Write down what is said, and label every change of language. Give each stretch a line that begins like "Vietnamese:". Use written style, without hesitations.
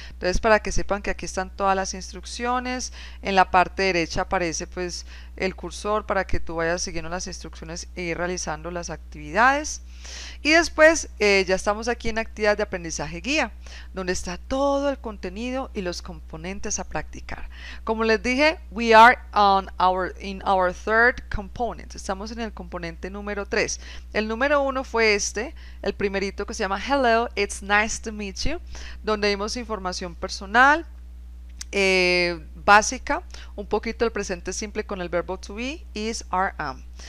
Spanish: Entonces, para que sepan que aquí están todas las instrucciones, en la parte derecha aparece pues el cursor para que tú vayas siguiendo las instrucciones e ir realizando las actividades. Y después ya estamos aquí en actividades de aprendizaje guía, donde está todo el contenido y los componentes a practicar. Como les dije,
English: we are on our in our third component.
Spanish: Estamos en el componente número 3. El número 1 fue este, el primerito que se llama
English: Hello, it's nice to meet you,
Spanish: donde vimos información personal, básica, un poquito el presente simple con el verbo to be, is, are, am.